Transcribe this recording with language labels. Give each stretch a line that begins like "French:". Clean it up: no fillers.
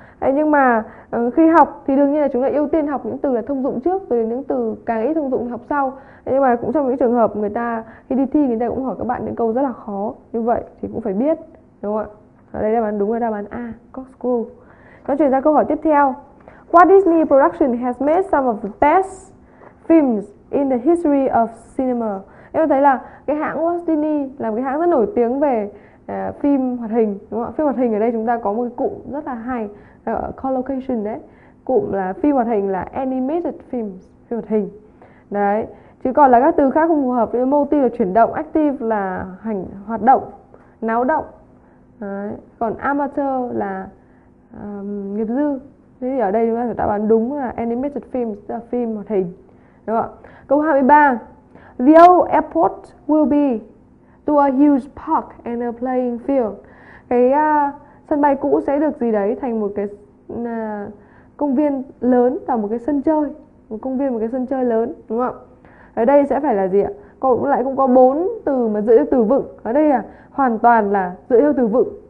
Vietnamese: Đấy, nhưng mà khi học thì đương nhiên là chúng ta ưu tiên học những từ là thông dụng trước, rồi những từ càng ít thông dụng thì học sau. Đấy, nhưng mà cũng trong những trường hợp người ta khi đi thi người ta cũng hỏi các bạn những câu rất là khó như vậy thì cũng phải biết, đúng không ạ? Ở đây đáp án đúng là đáp án A, corkscrew. Nó chuyển ra câu hỏi tiếp theo.
English: What Disney production has made some of the best films in the history of cinema?
Vietnamese: Em thấy là cái hãng Walt Disney là một cái hãng rất nổi tiếng về phim hoạt hình, đúng không ạ? Phim hoạt hình ở đây chúng ta có một cụm rất là hay, collocation đấy. Cụm là phim hoạt hình là animated films, phim hoạt hình. Đấy, chứ còn là các từ khác không phù hợp với motif là chuyển động, active là hành hoạt động, náo động. Đấy, còn amateur là nghiệp dư. Thế thì ở đây chúng ta phải đáp án đúng là animated films, là phim hoạt hình. Đúng không ạ? Câu 23.
English: The old airport will be to a huge park and a playing field.
Vietnamese: Cái sân bay cũ sẽ được gì đấy thành một cái công viên lớn và một cái sân chơi, một công viên, một cái sân chơi lớn, đúng không? Ở đây sẽ phải là gì ạ? Cậu lại cũng có bốn từ mà giữ từ vựng ở đây à? Hoàn toàn là giữ yêu từ vựng.